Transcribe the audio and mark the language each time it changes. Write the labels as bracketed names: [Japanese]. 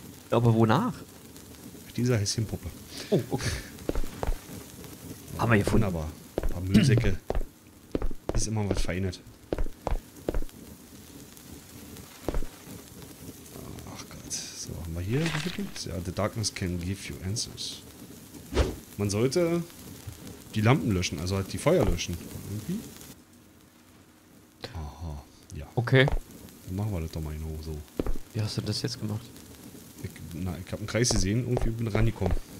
[German] Aber wonach? Dieser Häschenpuppe. Oh, okay. Haben wir gefunden. Wunderbar. Ein paar Müllsäcke. Ist immer was verändert. Ach Gott. So, haben wir hier gefunden? [English] Ja, the darkness can give you answers. [German] Man sollte die Lampen löschen, also halt die Feuer löschen. Irgendwie. Aha, ja. Okay. Dann machen wir das doch mal in Ruhe so. Wie hast du das jetzt gemacht? Ich hab einen Kreis gesehen, irgendwie bin ich rangekommen.